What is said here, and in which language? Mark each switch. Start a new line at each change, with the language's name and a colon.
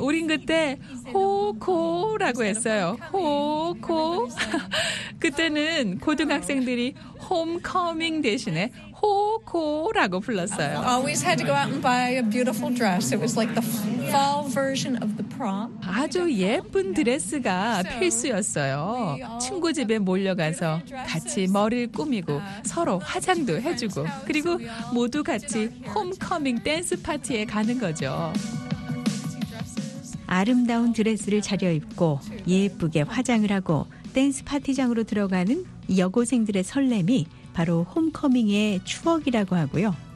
Korean: 우린 그때 호코라고 했어요. 호코. 그때는 고등학생들이 홈커밍 대신에 호코라고 불렀어요.
English: Always had to go out and buy a beautiful dress. It was like the fall version of the prom.
Korean: 아주 예쁜 드레스가 필수였어요. 친구 집에 몰려가서 같이 머리를 꾸미고 서로 화장도 해주고 그리고 모두 같이 홈커밍 댄스 파티에 가는 거죠. 아름다운 드레스를 차려입고 예쁘게 화장을 하고 댄스 파티장으로 들어가는 여고생들의 설렘이 바로 홈커밍의 추억이라고 하고요.